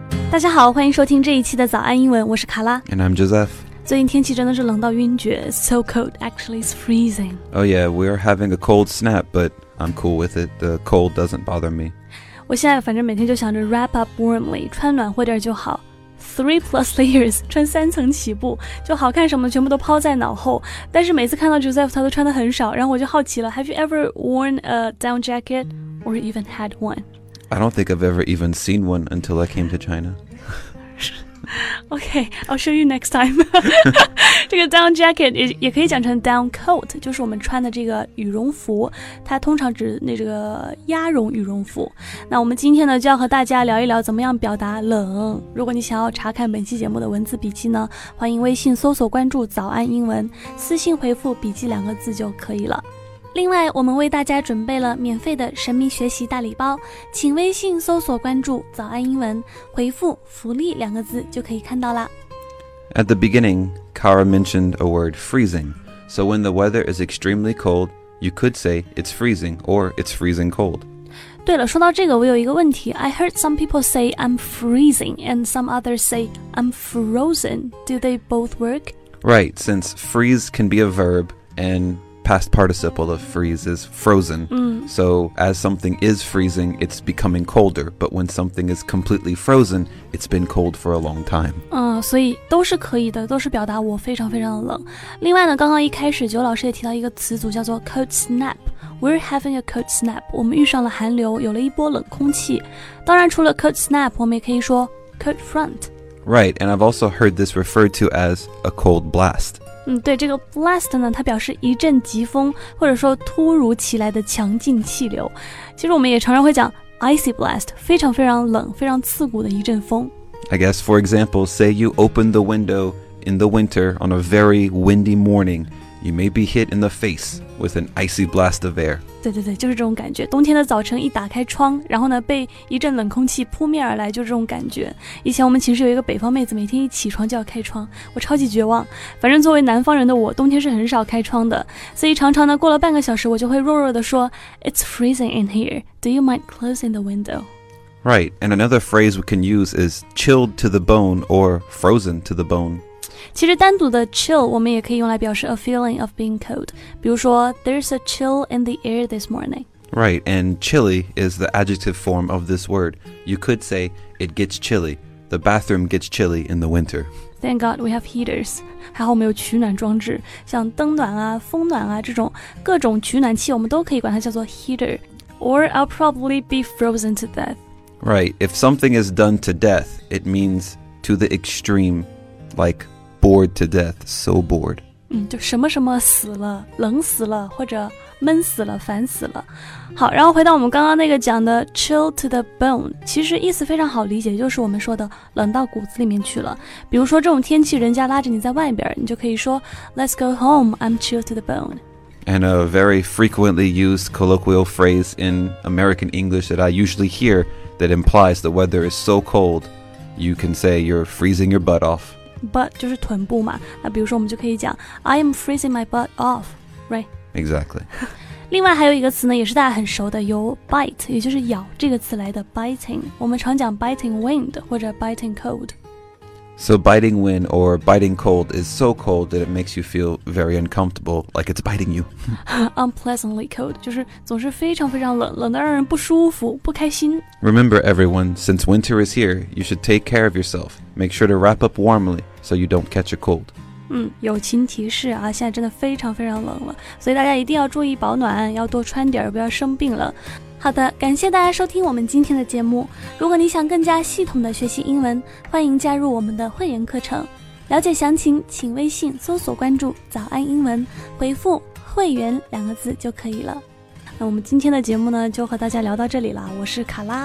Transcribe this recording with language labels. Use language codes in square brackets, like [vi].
[zh] 大家好，欢迎收听这一期的早安英文，我是卡拉。 [en] And I'm Joseph. [zh] 最近天气真的是冷到晕厥 [en] So cold, actually it's freezing. Oh yeah, we're having a cold snap, but I'm cool with it. The cold doesn't bother me. [zh] 我现在反正每天就想着 [en] wrap up warmly, [zh] 穿暖和点就好。 [en] Three plus layers, [zh] 穿三层起步，就好看什么全部都抛在脑后。但是每次看到 Joseph, 他都穿得很少，然后我就好奇了 [en] Have you ever worn a down jacket or even had one? I don't think I've ever even seen one until I came to China. Okay, I'll show you next time. [zh] 这个 down jacket 也可以讲成 down coat, 就是我们穿的这个羽绒服。它通常指那这个鸭绒羽绒服。那我们今天呢就要和大家聊一聊怎么样表达冷。如果你想要查看本期节目的文字笔记呢，欢迎微信搜索关注早安英文，私信回复笔记两个字就可以了。另外我们为大家准备了免费的神秘学习大礼包，请微信搜索关注早安英文，回复福利两个字就可以看到啦。 [en] At the beginning, Kara mentioned a word freezing. So when the weather is extremely cold, you could say it's freezing or it's freezing cold. [zh] 对了，说到这个我有一个问题。 [en] I heard some people say I'm freezing and some others say I'm frozen. Do they both work? Right, since freeze can be a verb andpast participle of freeze is frozen. Mm. So as something is freezing, it's becoming colder. But when something is completely frozen, it's been cold for a long time. [zh] 所以都是可以的，都是表达我非常非常的冷。另外呢，刚刚一开始九老师也提到一个词组叫做 cold snap. [en] We're having a cold snap. [zh] 我们遇上了寒流，有了一波冷空气。当然除了 cold snap, 我们也可以说 cold front. [en] Right, and I've also heard this referred to as a cold blast. [zh] 对，这个 blast 呢，它表示一阵疾风，或者说突如其来的强劲气流。其实我们也常常会讲 icy blast, 非常非常冷，非常刺骨的一阵风。 [en] I guess, for example, say you open the window in the winter on a very windy morning, you may be hit in the face with an icy blast of air. [zh] 对对对，就是这种感觉。冬天的早晨一打开窗，然后呢，被一阵冷空气扑面而来，就是这种感觉。以前我们寝室有一个北方妹子，每天一起床就要开窗，我超级绝望。反正作为南方人的我，冬天是很少开窗的，所以常常呢，过了半个小时，我就会弱弱地说 [en] It's freezing in here. Do you mind closing the window? Right, and another phrase we can use is chilled to the bone or frozen to the bone. [zh] 其实单独的 chill 我们也可以用来表示 a feeling of being cold. 比如说 [en] there's a chill in the air this morning. Right, and chilly is the adjective form of this word. You could say it gets chilly. The bathroom gets chilly in the winter. Thank God we have heaters. [zh] 还好我们有取暖装置，像灯暖啊、风暖啊这种各种取暖器，我们都可以管它叫做 heater. [en] Or I'll probably be frozen to death. Right, if something is done to death, it means to the extreme, likeBored to death, so bored. [zh] 就什么什么死了，冷死了，或者闷死了，烦死了。好，然后回到我们刚刚那个讲的 chill to the bone, 其实意思非常好理解，就是我们说的冷到骨子里面去了。比如说这种天气，人家拉着你在外边，你就可以说 [en] Let's go home, I'm chilled to the bone. And a very frequently used colloquial phrase in American English that I usually hear that implies the weather is so cold, you can say you're freezing your butt off. [zh] But 就是臀部嘛，那比如说我们就可以讲 [en] I am freezing my butt off, right? Exactly. [zh] 另外还有一个词呢，也是大家很熟的，由 bite, 也就是咬这个词来的 biting. 我们常讲 biting wind 或者 biting cold. [en] So biting wind or biting cold is so cold that it makes you feel very uncomfortable, like it's biting you. Unpleasantly cold, [zh] 就是总是非常非常冷，冷得让人不舒服，不开心。 [en] Remember everyone, since winter is here, you should take care of yourself. Make sure to wrap up warmly so you don't catch a cold. [zh] 友情提示啊，现在真的非常非常冷了，所以大家一定要注意保暖，要多穿点，不要生病了。好的，感谢大家收听我们今天的节目。如果你想更加系统的学习英文，欢迎加入我们的会员课程。了解详情，请微信搜索关注“早安英文”，回复“会员”两个字就可以了。那我们今天的节目呢，就和大家聊到这里了。我是卡拉